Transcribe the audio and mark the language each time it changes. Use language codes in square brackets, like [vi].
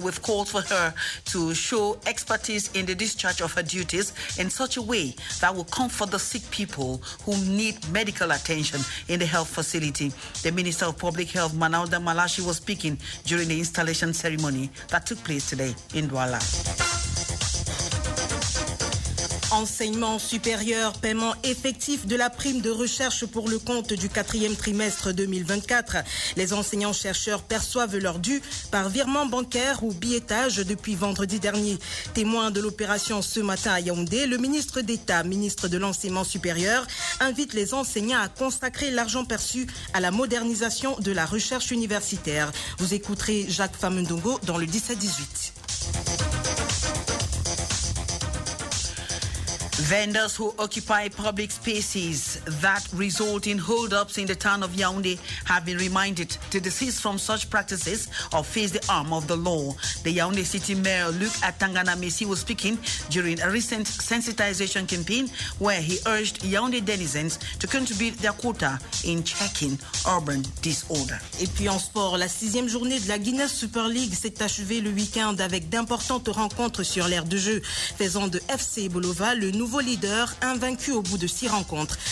[en] We've called for her to show expertise in the discharge of her duties in such a way that will comfort the sick people who need medical attention in the health facility. The Minister of Public Health, Manauda Malashi, was speaking during the installation ceremony that took place today in Douala. [fr] Enseignement supérieur, paiement effectif de la prime de recherche pour le compte du quatrième trimestre 2024. Les enseignants-chercheurs perçoivent leur dû par virement bancaire ou billettage depuis vendredi dernier. Témoin de l'opération ce matin à Yaoundé, le ministre d'État, ministre de l'Enseignement supérieur, invite les enseignants à consacrer l'argent perçu à la modernisation de la recherche universitaire. Vous écouterez Jacques Famundongo dans le 17-18. [en] Vendors who occupy public spaces that result in hold-ups in the town of Yaoundé have been reminded to desist from such practices or face the arm of the law. The Yaoundé city mayor, Luke Atanganamisi, was speaking during a recent sensitization campaign where he urged Yaoundé denizens to contribute their quota in checking urban disorder. [fr] Et puis en sport, la sixième journée de la Guinness Super League s'est achevée le week-end avec d'importantes rencontres sur l'aire de jeu, faisant de FC Bolova le nouveau leader, invaincu au bout de 6 rencontres.